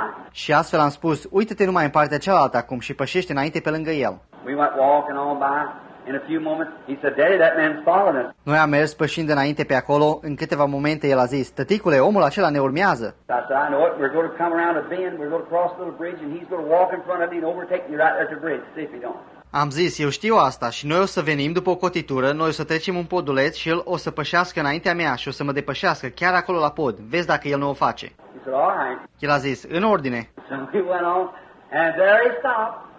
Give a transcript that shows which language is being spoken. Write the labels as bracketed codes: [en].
[ro] Și astfel am spus, uită-te numai în partea cealaltă acum și pășește înainte pe lângă el. [en] We went walking on by. In a few moments, he said, "Daddy, that man's following us." [ro] Noi am mers pășind înainte pe acolo. În câteva momente, el a zis, "Tăticule, omul acela ne urmează." [en] I said, "I know it. We're going to come around a bend. We're going to cross a little bridge, and he's going to walk in front of me and overtake me right at the bridge. See if he don't." [ro] Am zis, eu știu asta și noi o să venim după o cotitură, noi o să trecem un poduleț și el o să pășească înaintea mea și o să mă depășească chiar acolo la pod. Vezi dacă el nu o face. [en] He said, "All right." [ro] El a zis, "În ordine." [en] So we went on, and there he stopped.